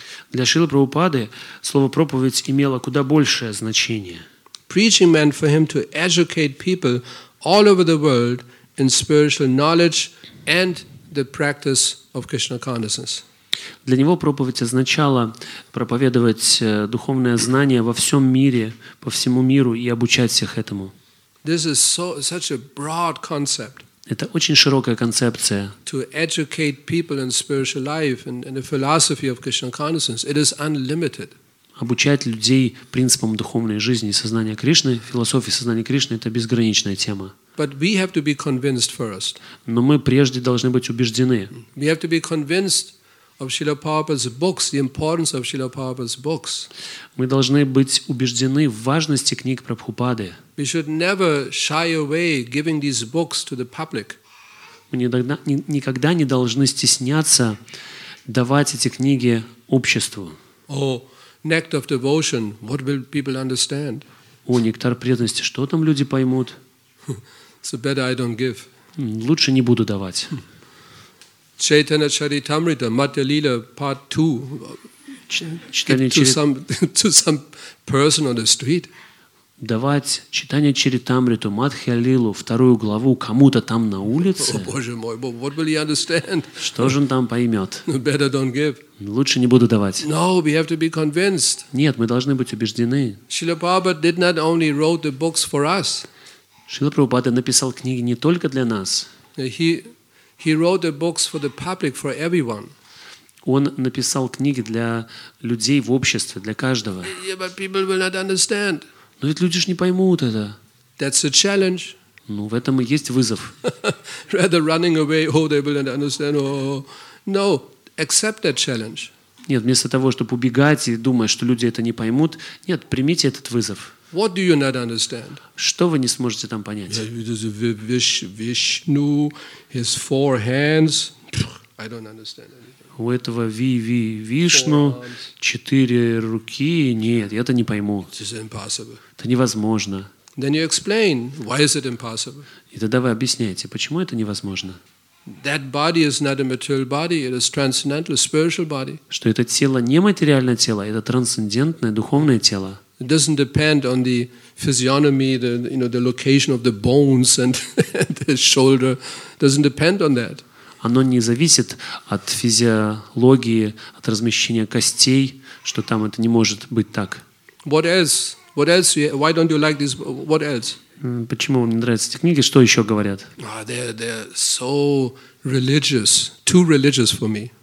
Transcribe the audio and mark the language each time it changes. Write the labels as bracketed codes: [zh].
[ru] Для Шрилы Прабхупады слово проповедь имело куда большее значение. [en] Preaching meant for him to educate people all over the world in spiritual knowledge and the practice of Krishna consciousness. [ru] Для него проповедь означала проповедовать духовное знание во всем мире, по всему миру и обучать всех этому. [en] This is such a broad concept. [ru] Это очень широкая концепция. [en] To educate people in spiritual life and in the philosophy of Krishna consciousness, it is unlimited. [ru] обучать людей принципам духовной жизни и сознания Кришны, философии сознания Кришны – это безграничная тема. [en] But we have to be convinced first. [ru] Но мы прежде должны быть убеждены. [en] We have to be convinced of Srila Prabhupada's books, the importance of Srila Prabhupada's books. [ru] Мы должны быть убеждены в важности книг Прабхупады. [en] We should never shy away giving these books to the public. [ru] Мы никогда не должны стесняться давать эти книги обществу. [en] Oh, nectar of devotion, what will people understand? [ru] О, нектар преданности, что там люди поймут? [en] So better I don't give. [ru] Лучше не буду давать. [en] Chaitanya Charitamrita, Matya Lila, part 2. To some person on the street. [ru] Давать читание Чаритамриту, Матхья Лилу, вторую главу кому-то там на улице? О, Боже мой, [en] what will he understand? [ru] Что же он там поймет? [en] Better don't give. [ru] Лучше не буду давать. [en] No, we have to be convinced. [ru] Нет, мы должны быть убеждены. [en] Шрила Прабхупада did not only wrote the books for us. [ru] Шрила Прабхупада написал книги не только для нас. [en] He wrote the books for the public, for everyone. [ru] Он написал книги для людей в обществе, для каждого. [en] Yeah, but people will not understand. [ru] Но ведь люди же не поймут это. [en] That's a challenge. [ru] Ну, в этом и есть вызов. [en] Rather running away, oh, they will not understand. Oh, no, accept that challenge. [ru] Нет, вместо того, чтобы убегать и думать, что люди это не поймут, нет, примите этот вызов. [en] What do you not understand? [ru] Что вы не сможете там понять? [en] Vishnu, his four hands. I don't understand anything. [ru] У этого Вишну четыре руки. Нет, я это не пойму. [en] It's impossible. [ru] Это невозможно. [en] Then you explain why is it impossible? [ru] И тогда вы объясняете, почему это невозможно. [en] That body is not a material body. It is transcendental, spiritual body. [ru] Что это тело не материальное тело, это трансцендентное духовное тело. [en] It doesn't depend on the physiognomy, the you know the location of the bones and the shoulder. It doesn't depend on that. [ru] Оно не зависит от физиологии, от размещения костей, что там это не может быть так. [en] What else? What else? Why don't you like this? What else? [ru] Почему вам не нравятся эти книги? Что еще говорят? [en] They're so religious, too religious for me.